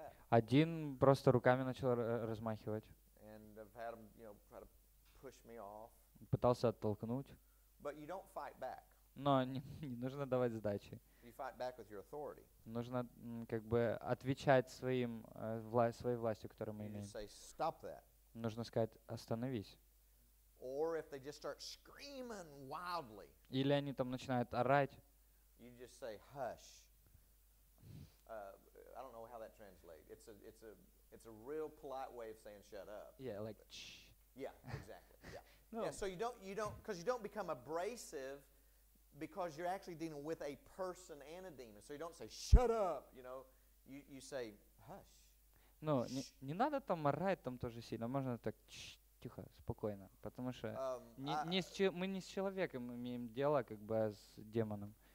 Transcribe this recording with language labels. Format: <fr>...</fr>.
<ru>Один просто руками начал размахивать.</ru> <en>And I've had him, you know, try to push me off.</en> <ru>Пытался оттолкнуть.</ru> <en>But you don't fight back.</en> <ru>Но не нужно давать сдачи.</ru> <en>You fight back with your authority.</en> <ru>Нужно как бы отвечать своим, своей властью, которую мы имеем.</ru> <en>Say, stop that.</en> <ru>Нужно сказать «остановись».</ru> <en>Or if they just start screaming wildly,</en> <ru>или они там начинают орать.</ru> <en>You just say hush. I don't know how that translates. It's a real polite way of saying shut up. Yeah, like shh. Yeah, exactly. Yeah. No. Yeah, so you don't because you don't become abrasive because you're actually dealing with a person and a demon. So you don't say shut up, you know. You say hush.</en> <ru>No, не надо там орать там тоже сильно. Можно так shh. Тихо, спокойно, потому что мы не с человеком имеем дело, как бы, а с демоном.</ru>